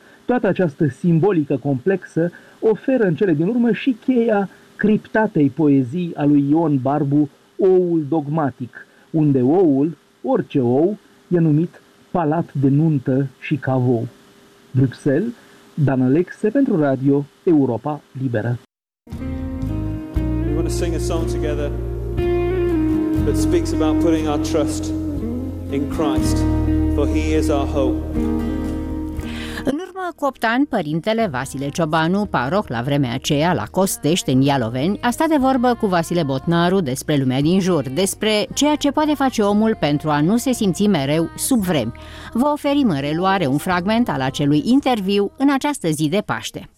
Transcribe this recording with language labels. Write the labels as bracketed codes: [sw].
[ro] Toată această simbolică complexă oferă în cele din urmă și cheia criptatei poezii a lui Ion Barbu, Oul dogmatic, unde oul, orice ou, e numit palat de nuntă și cavou. Bruxelles, Dan Alexe pentru Radio Europa Liberă. [en] We're going to sing a song together that speaks about putting our trust in Christ, for He is our hope. [ro] Cu 8 ani, părintele Vasile Ciobanu, paroh la vremea aceea la Costești, în Ialoveni, a stat de vorbă cu Vasile Botnaru despre lumea din jur, despre ceea ce poate face omul pentru a nu se simți mereu sub vremi. Vă oferim în reluare un fragment al acelui interviu în această zi de Paște.